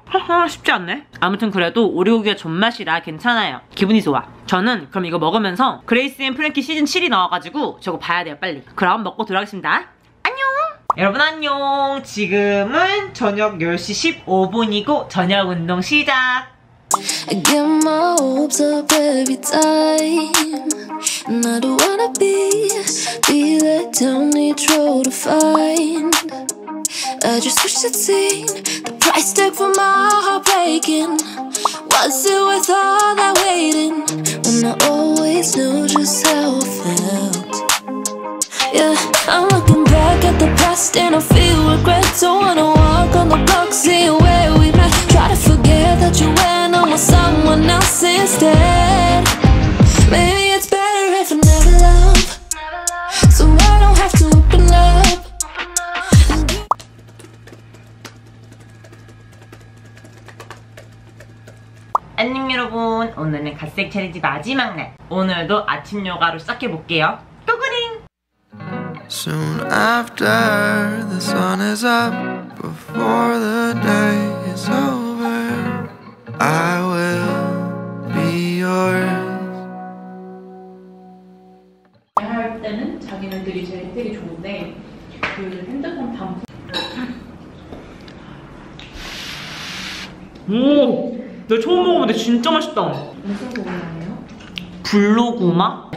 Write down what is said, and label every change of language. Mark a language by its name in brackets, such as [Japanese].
[Korean] 하하 쉽지 않네. 아무튼 그래도 오리고기가 존맛이라 괜찮아요. 기분이 좋아. 저는 그럼 이거 먹으면서 그레이스 앤 프랭키 시즌 7이 나와가지고 저거 봐야 돼요 빨리. 그럼 먹고 돌아가겠습니다. 여러분 안녕. 지금은 저녁 10시 15분이고 저녁 운동 시작. [English] I get my hopes up every time. And I don't wanna be let down each road to find. I just wish I'd seen the price tag for my heart breaking. Was it worth all that waiting? When I always knew just how I felt. Yeah, I'm looking back at the past and I feel regret. Don't wanna walk on the block, see where we met. Try to forget that you went on with someone else instead. Maybe it's better if I never love, so I don't have to open up. [Korean] 안녕 여러분, 오늘은 갓색 챌린지 마지막 날. 오늘도 아침 요가로 시작해볼게요. [English] Soon after the sun is up, before the day is over, I will be yours. [Korean] 말할 때는 자기네들이 제일 되게 좋은데 그 핸드폰 담. 오, 나 처음 먹어보는데 진짜 맛있다. 무슨 고구마예요? 불로구마?